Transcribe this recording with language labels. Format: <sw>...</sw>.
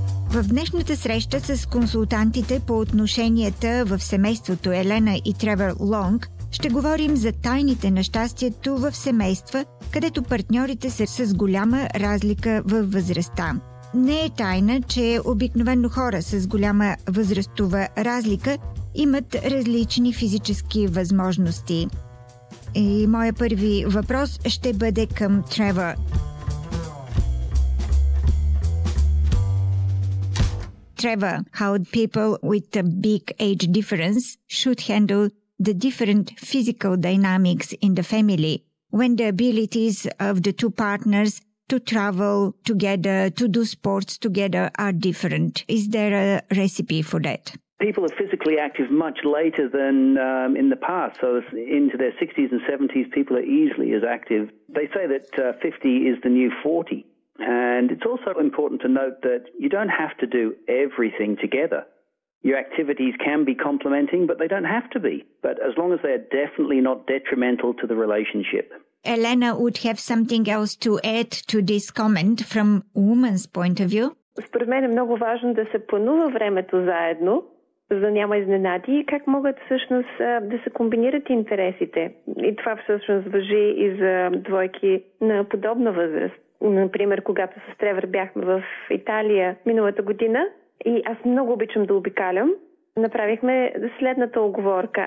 <bg>В днешната среща с консултантите по отношенията в семейството Елена и Тревор Лонг ще говорим за тайните на щастието в семейства, където партньорите са с голяма разлика във възрастта. Не е тайна, че обикновено хора с голяма възрастова разлика имат различни физически възможности. И моя първи въпрос ще бъде към Тревор.</bg> <en>Тревор, how people with a big age difference should handle the different physical dynamics in the family when the abilities of the two partners to travel together, to do sports together are different. Is there a recipe for that? People are physically active much later than in the past. So into their 60s and 70s, people are easily as active. They say that 50 is the new 40. And it's also important to note that you don't have to do everything together. Your activities can be complementing, but they don't have to be. But as long as they are definitely not detrimental to the relationship. Elena would have something else to add to this comment from woman's point of view.</en> <bg>Според мен е много важно да се планува времето заедно, за да няма изненади и как могат всъщност да се комбинират интересите. И това всъщност важи и за двойки на подобна възраст. Например, когато с Тревор бяхме в Италия миналата година и аз много обичам да обикалям, направихме следната оговорка.</bg>